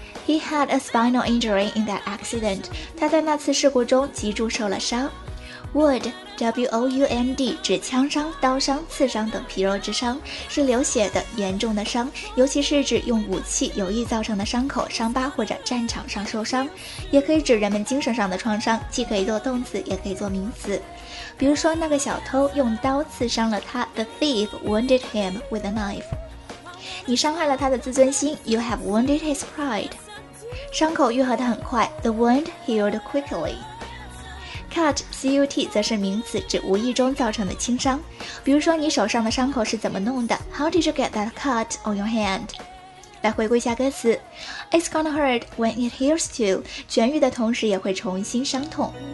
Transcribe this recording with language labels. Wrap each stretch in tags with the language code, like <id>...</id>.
<en>He had a spinal injury in that accident.</en> <zh>他在那次事故中脊柱受了伤。Wound, W-O-U-N-D, 指枪伤、刀伤、刺伤等皮肉之伤，是流血的严重的伤，尤其是指用武器有意造成的伤口、伤疤或者战场上受伤，也可以指人们精神上的创伤，既可以做动词也可以做名词。比如说，那个小偷用刀刺伤了他，</zh> <en>The thief wounded him with a knife.</en> <zh>你伤害了他的自尊心，</zh> <en>You have wounded his pride.</en> <zh>伤口愈合得很快，</zh> <en>The wound healed quickly.</en> <zh>Cut, C-U-T, 则是名词，指无意中造成的轻伤。比如说，你手上的伤口是怎么弄的？</zh> <en>How did you get that cut on your hand?</en> <zh>来回顾一下歌词。</zh> <en>It's gonna hurt when it heals too.</en> <zh>痊愈的同时也会重新伤痛。</zh>